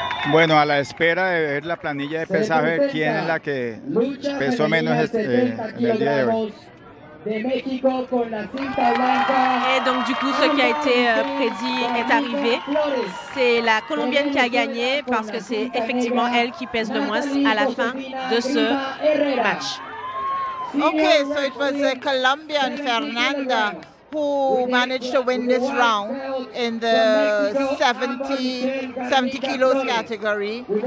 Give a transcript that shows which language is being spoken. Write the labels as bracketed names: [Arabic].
[Spanish] Bueno, a la espera de ver la planilla de pesaje, ¿quién es la que pesó menos en el día de hoy? De México con la cinta blanca. [French] Et donc du coup, ce qui a été prédit est arrivé. C'est la Colombienne qui a gagné parce que c'est effectivement elle qui pèse le moins à la fin de ce match. [English] Okay, so it was the Colombian Fernanda who managed to win this round in the 70 kilos category.